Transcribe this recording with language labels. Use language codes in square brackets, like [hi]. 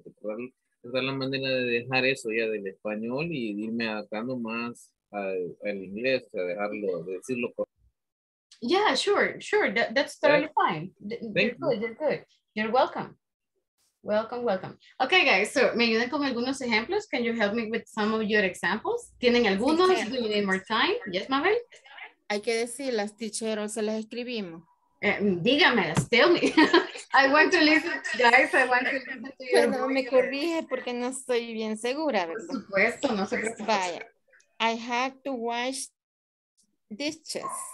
[es] Es la manera de dejar eso ya del español y irme adaptando más al inglés, o sea, dejarlo, decirlo correcto. [en] Yeah, sure, that's totally fine. You're good. You're welcome. Okay, guys, so [es] me ayudan con algunos ejemplos. [en] Can you help me with some of your examples? [es] ¿Tienen algunos? [en] Do you need more time? Yes, Mabel. [es] Hay que decirlas, teacher, o se las escribimos. Dígamelas, [en] tell me. I want to listen, guys, I want to listen to you. [es] Perdón, me corrige porque no estoy bien segura, ¿verdad? Por supuesto, no se preocupe. Vaya, [en] I have to wash dishes.